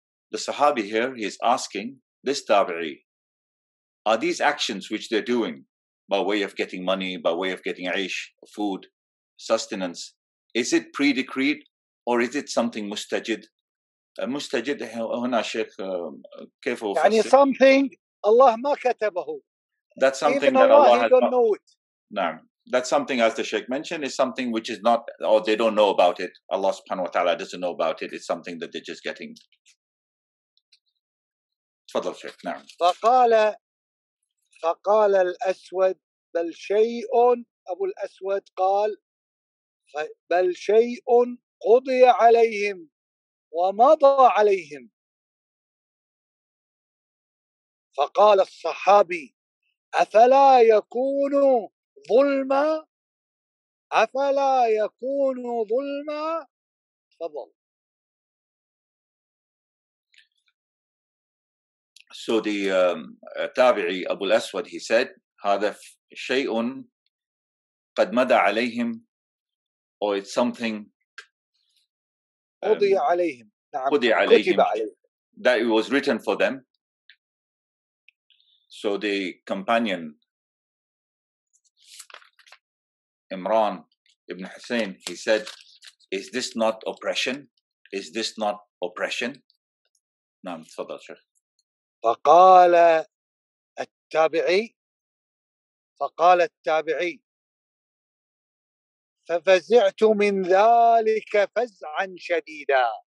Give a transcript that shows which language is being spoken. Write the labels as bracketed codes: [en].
[en] The Sahabi here, he is asking, this tabi'i, are these actions which they're doing by way of getting money, by way of getting aish, food, sustenance, is it pre-decreed or is it something mustajid? [ar] مستجد هنا شيخ كيف هو يعني [en] something [ar] Allah ما كتبه. [en] That's something that Allah had not. [ar] نعم. [en] That's something, as the Sheikh mentioned, is something which is not, or they don't know about it. Allah subhanahu wa ta'ala doesn't know about it. It's something that they're just getting. [ar] تفضل شيخ. نعم. فقال الأسود بل شيء أبو الأسود قال بل شيء قضي عليهم ومضى عليهم فقال الصحابي أفلا يكون ظلما أفلا يكون ظلما تفضل. [en] So the tabi'i Abu al-Aswad, he said [ar] هذا شيء قد مدى عليهم, [en] or it's something [ar] قضي عليهم. نعم. قضي عليهم. [en] That it was written for them. So the companion Imran ibn Hussein, he said, is this not oppression? Is this not oppression? [ar] نعم تفضل شيخ. فقال التابعي, فقال التابعي, ففزعت من ذلك فزعا شديدا,